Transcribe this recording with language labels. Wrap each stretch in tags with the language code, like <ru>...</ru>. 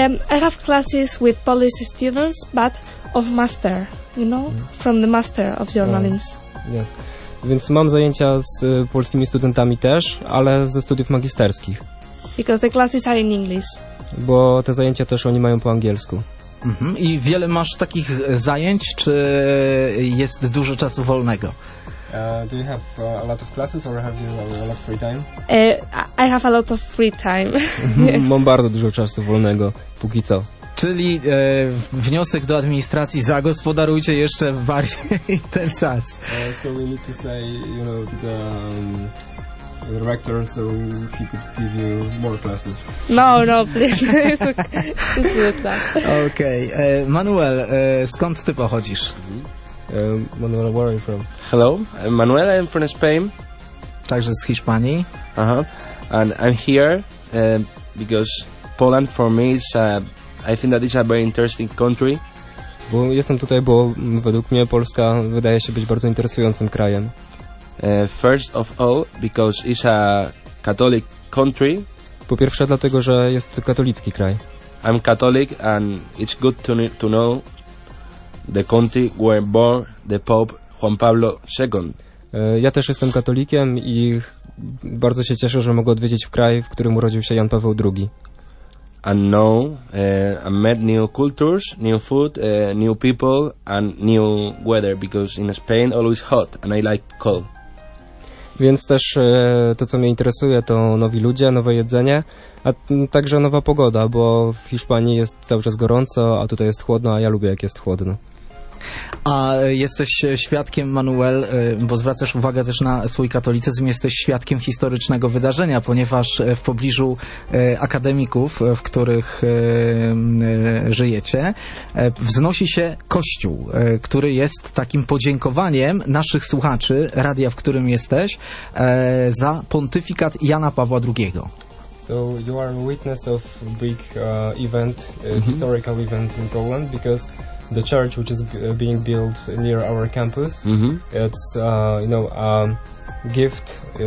<en>I have classes with Polish students, but of master, you know, from the master of journalism. Yes.</en> <pl>Więc mam zajęcia z polskimi studentami też, ale ze studiów magisterskich.</pl> <en>Because the classes are in English.</en> <pl>Bo te zajęcia też oni mają po angielsku. Mm-hmm. I wiele masz takich zajęć, czy jest dużo czasu wolnego?</pl> <en>Do you have a lot of classes or have you a lot of free time? I have a lot of free time.</en> <pl>Mam bardzo dużo czasu wolnego, póki co. Czyli wniosek do administracji, zagospodarujcie jeszcze bardziej ten czas.</pl> <en>So we need to say, you know, to the director, so he could give you more classes. No, please. It's okay. It's good, okay. Okay.</en> <pl>Manuel, skąd ty pochodzisz?</pl> <en>Manuel, where are you from? Hello, Manuel, I'm from Spain.</en> <pl>Także z Hiszpanii. Aha.</pl> <en>And I'm here because Poland for me is I think that it's a very interesting country.</en> <pl>Bo jestem tutaj, bo według mnie Polska wydaje się być bardzo interesującym krajem.</pl> <en>First of all, because it's a Catholic country.</en> <pl>Po pierwsze, dlatego, że jest katolicki kraj.</pl> <en>I'm Catholic and it's good to know the country where born the Pope Juan Pablo II.</en> <pl>Ja też jestem katolikiem i bardzo się cieszę, że mogę odwiedzić kraj, w którym urodził się Jan Paweł II.</pl> <en>And now I met new cultures, new food, new people and new weather because in Spain always hot and I like cold.</en> <pl>Więc też to, co mnie interesuje, to nowi ludzie, nowe jedzenie, a także nowa pogoda, bo w Hiszpanii jest cały czas gorąco, a tutaj jest chłodno, a ja lubię, jak jest chłodno. A jesteś świadkiem, Manuel, bo zwracasz uwagę też na swój katolicyzm, jesteś świadkiem historycznego wydarzenia, ponieważ w pobliżu akademików, w których żyjecie, wznosi się kościół, który jest takim podziękowaniem naszych słuchaczy, radia, w którym jesteś, za pontyfikat Jana Pawła II.</pl> <en>So you are a witness of big event, historical event in Poland, because the church, which is being built near our campus, it's you know a gift.</en>